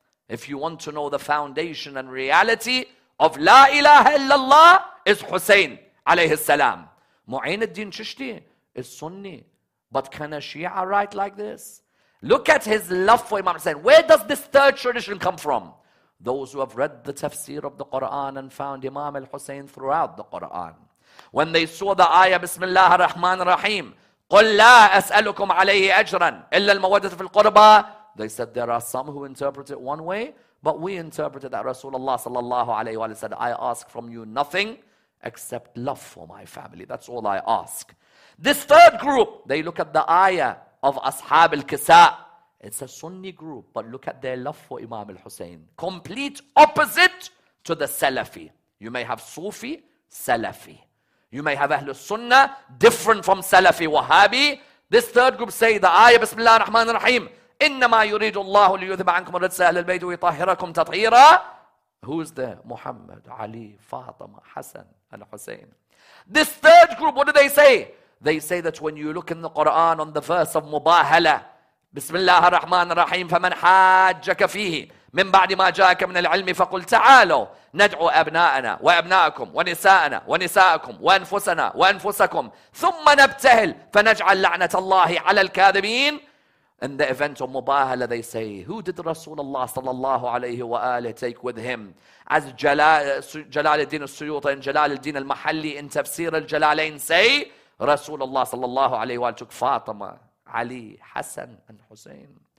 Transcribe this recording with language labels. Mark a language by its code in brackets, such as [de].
[en] If you want to know the foundation and reality of La ilaha illallah, is Hussein alayhi salam. Mu'inuddin Chishti is Sunni. But can a Shia write like this? Look at his love for Imam Hussein. Where does this third tradition come from? Those who have read the tafsir of the Quran and found Imam al-Hussein throughout the Quran. When they saw the ayah, [ar] Bismillah ar-Rahman ar-Rahim, قُلْ لَا أَسْأَلُكُمْ عَلَيْهِ أَجْرًا إِلَّا الْمَوَدَّةَ فِي الْقُرْبَى. [en] They said there are some who interpret it one way, but we interpret it that Rasulullah sallallahu alayhi wa sallam said, I ask from you nothing except love for my family. That's all I ask. This third group, they look at the ayah of Ashab al-Kisa. It's a Sunni group, but look at their love for Imam al-Hussein. Complete opposite to the Salafi. You may have Sufi, Salafi. You may have Ahlul Sunnah, different from Salafi, Wahhabi. This third group say the ayah, [ar] Bismillah ar-Rahman ar-Rahim, إِنَّمَا يُرِيدُ اللَّهُ لِيُذْبَ عَنْكُمْ رَجْسَ أَهْلِ الْبَيْتِ وَيْطَهِرَكُمْ تَطْهِيرًا. [en] Who's there? Muhammad, Ali, Fatima, Hassan, and Hussein. This third group, what do they say? They say that when you look in the Quran on the verse of Mubahala, [ar] Bismillah ar-Rahman ar-Rahim, فَمَنْ حَاجَّكَ فِيهِ مِنْ بَعْدِ مَا جَاءَكَ مِنَ الْعِلْمِ فَقُلْ تَعَالَوْا نَدْعُوا أَبْنَاءَنَا وَأَبْنَاءَكُمْ وَنِسَاءَنَا وَنِسَاءَكُمْ وَأَنفُسَنَا وَأَنفُسَكُمْ ثُمَّ نَبْتَهِلْ فَنَجْعَلْ لَعْنَةَ اللَّهِ عَلَى الْكَاذِبِينَ. [en] In the event of Mubahala, they say, who did Rasulullah sallallahu alayhi wa alayhi take with him? As Jalaluddin al-Suyuta and Jalaluddin al-Mahalli in Tafsir al-Jalalain say, Rasulullah sallallahu alayhi wa alayhi took Fatima, Ali, Hassan, and Hussein.